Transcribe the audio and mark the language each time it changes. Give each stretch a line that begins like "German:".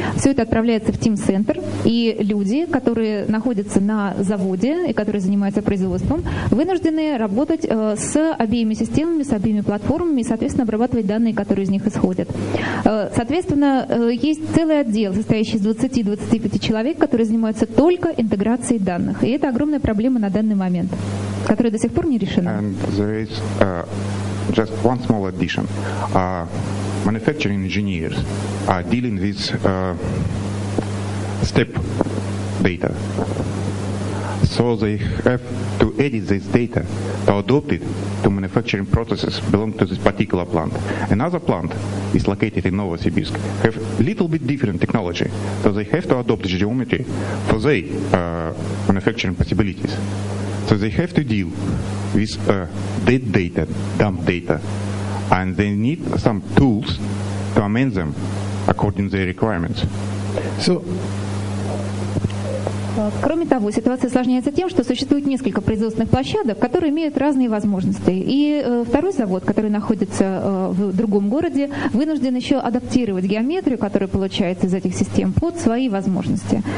Russian: Все это отправляется в Teamcenter, и люди, которые находятся на заводе и которые занимаются производством, вынуждены работать с обеими системами, с обеими платформами, соответственно, обрабатывать данные, которые из них исходят. Соответственно, есть целый отдел, состоящий из 20-25 человек, которые занимаются только интеграцией данных. И это огромная проблема на данный момент, которая до сих пор не решена.
English: And there is just one small addition. Manufacturing engineers are dealing with step data. So they have to edit this data to adopt it to manufacturing processes belong to this particular plant. Another plant is located in Novosibirsk, have little bit different technology, so they have to adopt the geometry for their manufacturing possibilities. So they have to deal with dead data, dump data, and they need some tools to amend them according to their requirements. So,
Russian: кроме того, ситуация осложняется тем, что существует несколько производственных площадок, которые имеют разные возможности. И второй завод, который находится в другом городе, вынужден еще адаптировать геометрию, которая получается из этих систем, под свои возможности.